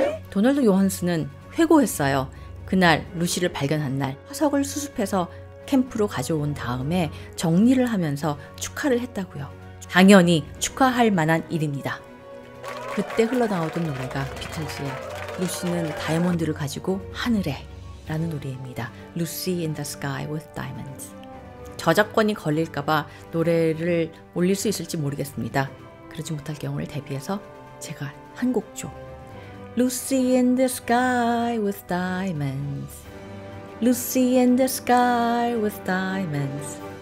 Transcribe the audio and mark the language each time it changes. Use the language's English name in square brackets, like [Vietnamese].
[Korean] 도널드 요한슨은 회고했어요. 그날 루시를 발견한 날 화석을 수습해서 캠프로 가져온 다음에 정리를 하면서 축하를 했다고요. 당연히 축하할 만한 일입니다. 그때 흘러나오던 노래가 비틀즈의 루시는 다이아몬드를 가지고 하늘에라는 노래입니다. [English] Lucy in the Sky with Diamonds. [Korean] 저작권이 걸릴까봐 노래를 올릴 수 있을지 모르겠습니다. 그러지 못할 경우를 대비해서 제가 한 곡조. [English] Lucy in the Sky with Diamonds. Lucy in the Sky with Diamonds.